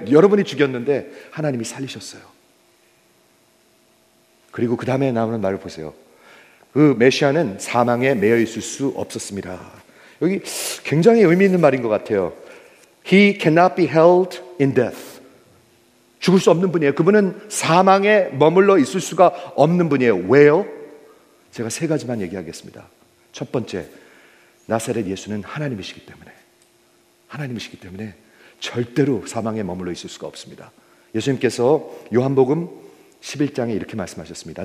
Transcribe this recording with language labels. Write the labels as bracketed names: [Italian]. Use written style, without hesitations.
[Korean] 여러분이 죽였는데 하나님이 살리셨어요. 그리고 그 다음에 나오는 말을 보세요. 그 메시아는 사망에 매여 있을 수 없었습니다. 여기 굉장히 의미 있는 말인 것 같아요. [English] He cannot be held in death. [Korean] 죽을 수 없는 분이에요. 그분은 사망에 머물러 있을 수가 없는 분이에요. 왜요? 제가 세 가지만 얘기하겠습니다. 첫 번째, 나사렛 예수는 하나님이시기 때문에 절대로 사망에 머물러 있을 수가 없습니다. 예수님께서 요한복음 11장에 이렇게 말씀하셨습니다.